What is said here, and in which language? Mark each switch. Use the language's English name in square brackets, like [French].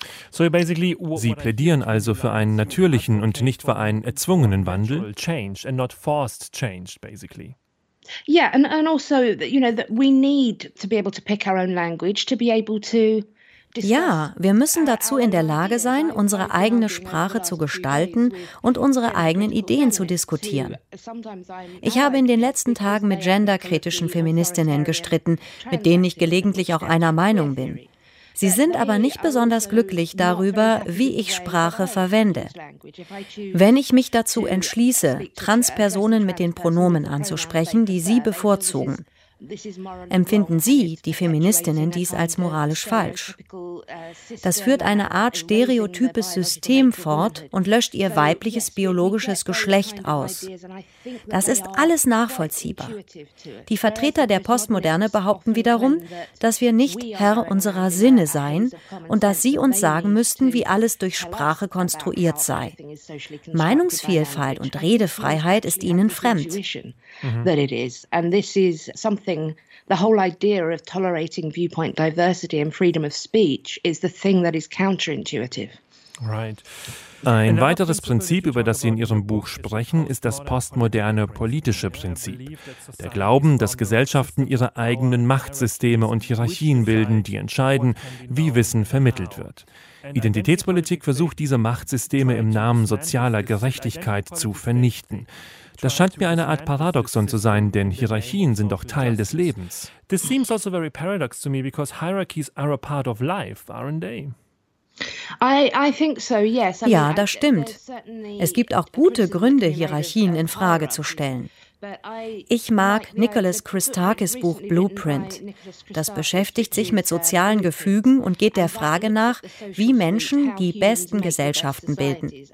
[German] Sie plädieren also für einen natürlichen und nicht für einen erzwungenen Wandel. [English] Change and not forced change, basically. Yeah, and also, you know, that we need to be able to pick our own language, to be able to. [German] Ja, wir müssen dazu in der Lage sein, unsere eigene Sprache zu gestalten und unsere eigenen Ideen zu diskutieren. Ich habe in den letzten Tagen mit genderkritischen Feministinnen gestritten, mit denen ich gelegentlich auch einer Meinung bin. Sie sind aber nicht besonders glücklich darüber, wie ich Sprache verwende. Wenn ich mich dazu entschließe, Transpersonen mit den Pronomen anzusprechen, die sie bevorzugen, empfinden Sie, die Feministinnen, dies als moralisch falsch. Das führt eine Art stereotypes System fort und löscht Ihr weibliches biologisches Geschlecht aus. Das ist alles nachvollziehbar. Die Vertreter der Postmoderne behaupten wiederum, dass wir nicht Herr unserer Sinne seien und dass sie uns sagen müssten, wie alles durch Sprache konstruiert sei. Meinungsvielfalt und Redefreiheit ist ihnen fremd. [English] Something, the whole idea of tolerating viewpoint diversity and freedom of speech is the thing that is counterintuitive. Right. [German] Ein weiteres Prinzip, über das Sie in Ihrem Buch sprechen, ist das postmoderne politische Prinzip. Der Glauben, dass Gesellschaften ihre eigenen Machtsysteme und Hierarchien bilden, die entscheiden, wie Wissen vermittelt wird. Identitätspolitik versucht, diese Machtsysteme im Namen sozialer Gerechtigkeit zu vernichten. Das scheint mir eine Art Paradoxon zu sein, denn Hierarchien sind doch Teil des Lebens. [English] This seems also very paradox to me, because hierarchies are a part of life, aren't they? I think so, yes. [German] Ja, das stimmt. Es gibt auch gute Gründe, Hierarchien in Frage zu stellen. Ich mag Nicholas Christakis Buch Blueprint. Das beschäftigt sich mit sozialen Gefügen und geht der Frage nach, wie Menschen die besten Gesellschaften bilden.